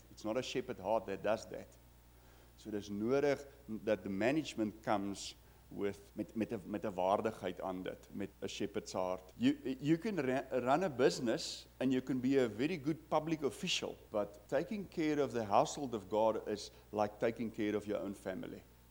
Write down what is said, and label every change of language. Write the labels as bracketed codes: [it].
[en] It's not a shepherd heart that does that. [af] So dis nodig dat [en] the management comes [af] met 'n waardigheid aan dit, met 'n shepherd's heart. [en] You can run a business and you can be a very good public official, but taking care of the household of God is like taking care of your own family.